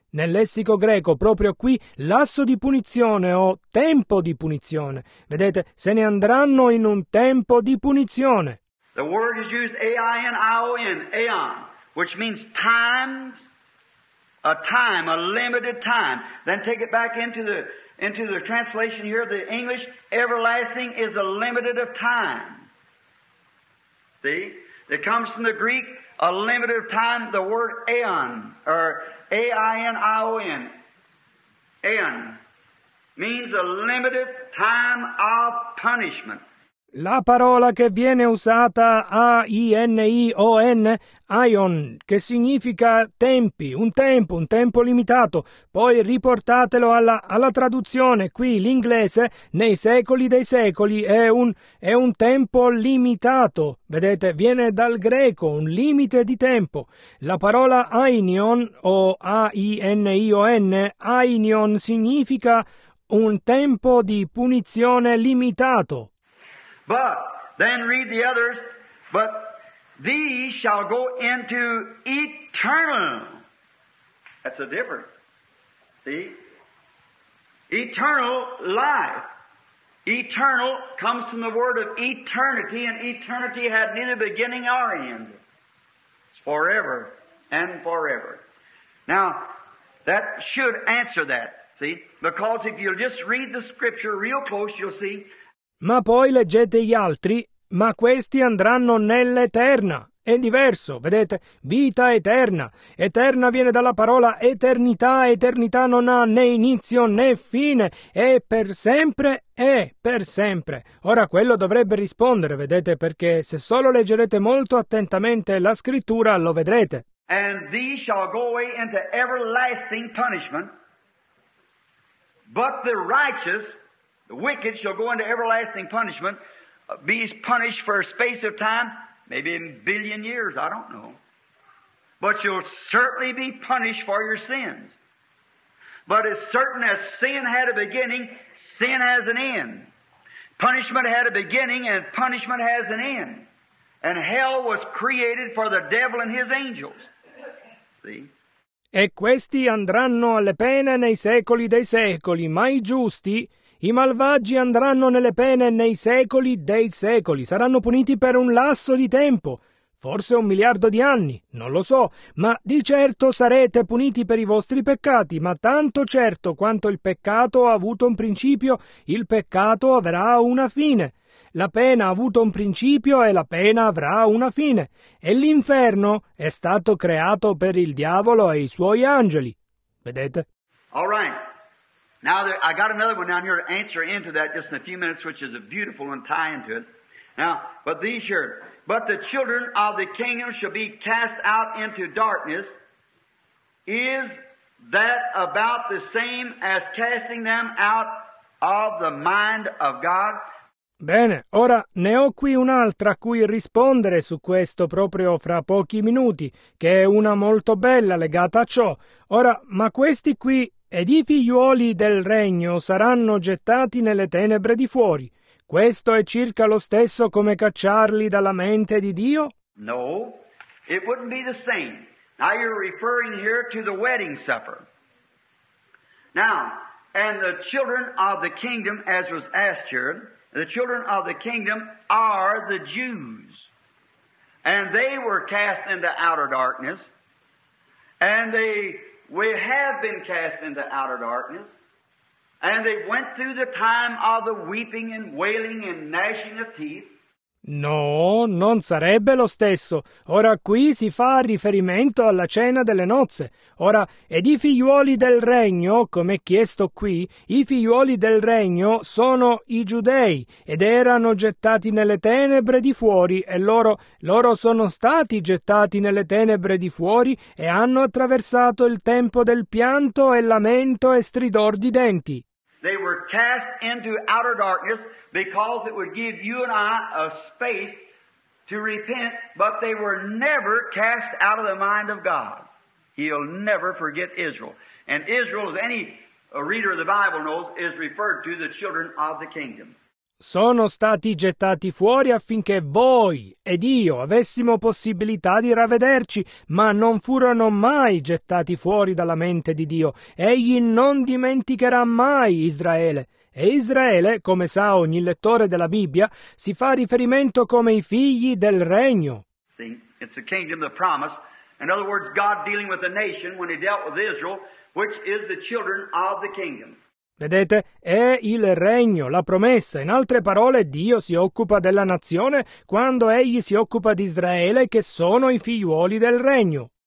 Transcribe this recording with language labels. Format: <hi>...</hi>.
<it>Nel lessico greco, proprio qui, lasso di punizione o tempo di punizione. Vedete, se ne andranno in un tempo di punizione.</it> <en>The word is used A-I-N-I-O-N, aeon, which means time, a limited time. Then take it back into the translation here, the English, everlasting is a limited of time. See? It comes from the Greek, a limited of time, the word aeon, or A-I-N-I-O-N, aeon, means a limited time of punishment.</en> <it>La parola che viene usata, A-I-N-I-O-N, aeon, che significa tempi, un tempo limitato. Poi riportatelo alla traduzione, qui l'inglese, nei secoli dei secoli, è un tempo limitato. Vedete, viene dal greco, un limite di tempo. La parola aeon, o A-I-N-I-O-N, aeon, significa un tempo di punizione limitato.</it> <en>But, then read the others, but these shall go into eternal. That's a difference. See? Eternal life. Eternal comes from the word of eternity, and eternity had neither beginning nor end. It's forever and forever. Now, that should answer that, see? Because if you'll just read the scripture real close, you'll see.</en> <it>Ma poi leggete gli altri, ma questi andranno nell'eterna. è diverso, vedete? Vita eterna. Eterna viene dalla parola eternità. Eternità non ha né inizio né fine. È per sempre, è per sempre. Ora quello dovrebbe rispondere, vedete? Perché se solo leggerete molto attentamente la scrittura, lo vedrete.</it> <en>And these shall go away into everlasting punishment, but the righteous, the wicked, shall go into everlasting punishment, be punished for a space of time, maybe a billion years, I don't know. But you'll certainly be punished for your sins. But as certain as sin had a beginning, sin has an end. Punishment had a beginning, and punishment has an end. And hell was created for the devil and his angels.</en> <it>E questi andranno alle pene nei secoli dei secoli, ma i giusti, i malvagi, andranno nelle pene nei secoli dei secoli. Saranno puniti per un lasso di tempo, forse un miliardo di anni, non lo so, ma di certo sarete puniti per i vostri peccati. Ma tanto certo quanto il peccato ha avuto un principio, il peccato avrà una fine. La pena ha avuto un principio e la pena avrà una fine. E l'inferno è stato creato per il diavolo e i suoi angeli. Vedete?</it> <en>All right. Now there, I got another one down here to answer into that just in a few minutes, which is a beautiful one tie into it. Now, but these here, but the children of the kingdom shall be cast out into darkness. Is that about the same as casting them out of the mind of God?</en> <it>Bene, ora ne ho qui un'altra a cui rispondere su questo proprio fra pochi minuti, che è una molto bella legata a ciò. Ora, ma questi qui, ed i figliuoli del regno, saranno gettati nelle tenebre di fuori. Questo è circa lo stesso come cacciarli dalla mente di Dio?</it> <en>No, it wouldn't be the same. Now you're referring here to the wedding supper. Now, and the children of the kingdom, as was asked here, the children of the kingdom are the Jews, and they were cast into outer darkness, and we have been cast into outer darkness, and they went through the time of the weeping and wailing and gnashing of teeth.</en> <it>No, non sarebbe lo stesso. Ora qui si fa riferimento alla cena delle nozze. Ora, ed i figliuoli del regno, come chiesto qui, i figliuoli del regno sono i giudei ed erano gettati nelle tenebre di fuori e loro sono stati gettati nelle tenebre di fuori e hanno attraversato il tempo del pianto e lamento e stridor di denti.</it> <en>They were cast into outer darkness because it would give you and I a space to repent, but they were never cast out of the mind of God. He'll never forget Israel. And Israel, as any reader of the Bible knows, is referred to the children of the kingdom.</en> <it>Sono stati gettati fuori affinché voi ed io avessimo possibilità di ravvederci, ma non furono mai gettati fuori dalla mente di Dio. Egli non dimenticherà mai Israele. E Israele, come sa ogni lettore della Bibbia, si fa riferimento come i figli del regno.</it> <en>It's a kingdom of promise. In other words, God dealing with a nation when he dealt with Israel, which is the children of the kingdom.</en> <it>Vedete? È il regno, la promessa. In altre parole, Dio si occupa della nazione quando egli si occupa di Israele, che sono i figliuoli del regno.</it>